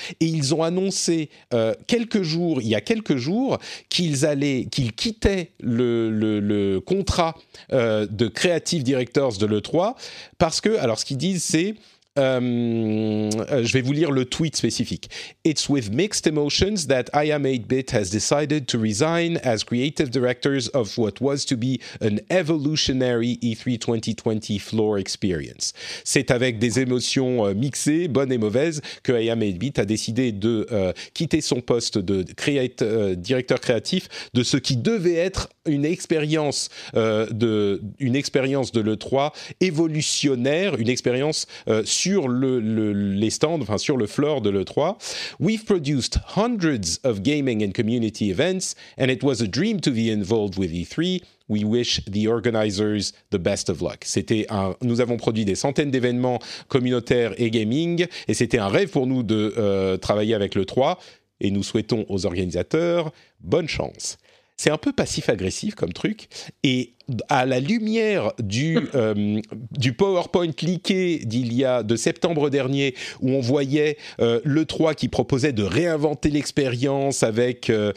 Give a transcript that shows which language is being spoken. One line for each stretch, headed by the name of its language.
French: Et ils ont annoncé il y a quelques jours qu'ils quittaient le contrat de Creative Directors de l'E3 parce que, alors ce qu'ils disent c'est, je vais vous lire le tweet spécifique.
English: It's with mixed emotions that I Am 8-Bit has decided to resign as creative directors of what was to be an evolutionary E3 2020 floor experience.
French: C'est avec des émotions mixées, bonnes et mauvaises, que I Am 8-Bit a décidé de quitter son poste de directeur créatif de ce qui devait être une expérience de l'E3 évolutionnaire, une expérience sur les stands, enfin sur le floor de l'E3.
English: We've produced hundreds of gaming and community events, and it was a dream to be involved with E3. We wish the organizers the best of luck.
French: Nous avons produit des centaines d'événements communautaires et gaming, et c'était un rêve pour nous de travailler avec l'E3, et nous souhaitons aux organisateurs bonne chance. C'est un peu passif-agressif comme truc. Et à la lumière du PowerPoint leaké de septembre dernier, où on voyait l'E3 qui proposait de réinventer l'expérience avec